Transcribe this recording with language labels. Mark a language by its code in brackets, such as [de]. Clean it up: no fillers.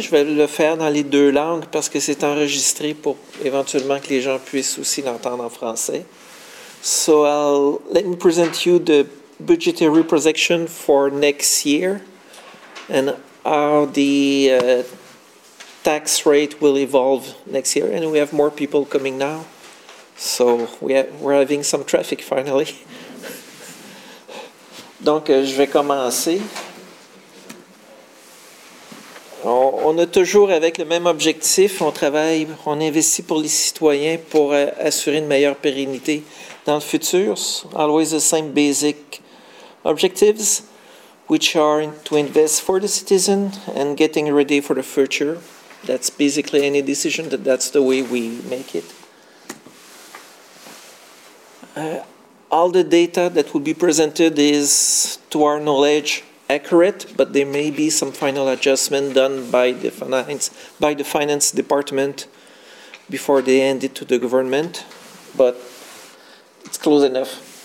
[fr] Je vais le faire dans les deux langues parce que c'est enregistré pour éventuellement que les gens puissent aussi l'entendre en français. [en] So, let me present you the budgetary projection for next year and how the... tax rate will evolve next year, and we have more people coming now, so we're having some traffic finally. [fr] Donc, je vais commencer. On a toujours avec le même objectif, on travaille, on investit pour les citoyens pour assurer une meilleure pérennité dans le futur. [en] Always the same basic objectives, which are to invest for the citizen and getting ready for the future. That's basically any decision, that's the way we make it. All the data that will be presented is, to our knowledge, accurate, but there may be some final adjustment done by the finance department before they hand it to the government, but it's close enough.